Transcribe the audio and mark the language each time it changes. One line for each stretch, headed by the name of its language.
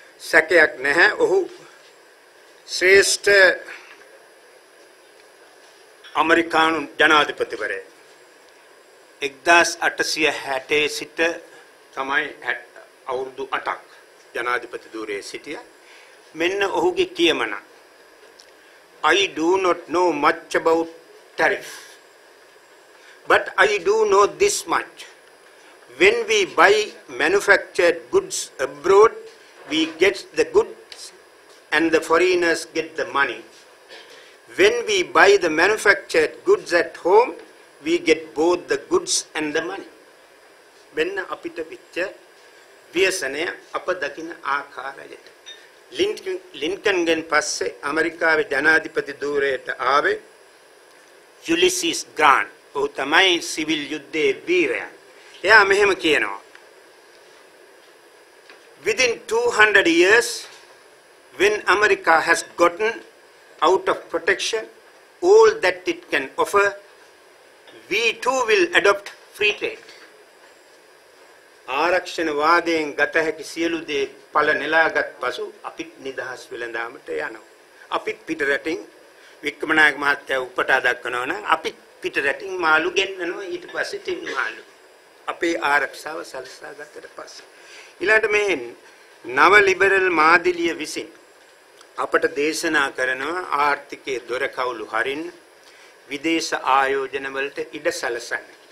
Sinhala: සැකයක් නැහැ ඔහු ශ්‍රේෂ්ඨ ඇමරිකානු ජනාධිපතිවරයා. 1860 සිට තමයි අවුරුදු 8ක් ජනාධිපති ධූරයේ සිටිය. මෙන්න ඔහුගේ කියමන.
English: I do not know much about tariff, but I do know this much. When we buy manufactured goods abroad, we get the goods and the foreigners get the money. When we buy the manufactured goods at home, we get both the goods and the money.
Sinhala: මෙන්න අපිට පිට ව්‍යසනය අප දකින ආකාරයට. ලින්කන්ගෙන් පස්සේ ඇමරිකාවේ ජනාධිපති ධූරයට ආවේ යුලිසිස් ග්‍රාන්ට්. ඔහු තමයි සිවිල් යුද්ධයේ වීරයා. එයා මෙහෙම කියනවා.
English: Within 200 years, when America has gotten out of protection all that it can offer, we too will adopt free trade.
Sinhala: ආරක්ෂණවාදයෙන් ගත හැකි සියලු දේ පල නෙලාගත් පසු අපිත් නිදහස් වෙළඳාමට යනවා. අපිත් පිටරටින් වික්‍රමනායක මහත්තයා උපටා දක්වනවා නම් අපිත් පිටරටින් මාළු ගෙන්නනවා. ඊට පස්සේ තින් මාළු අපේ ආරක්ෂාව සලසා ගත්තට පස්සේ ඊළඟට මේ නව ලිබරල් මාදිලිය විසින් අපට දේශනා කරනවා ආර්ථිකයේ දොරකවුළු හරින් විදේශ ආයෝජන වලට ඉඩ සලසන්න.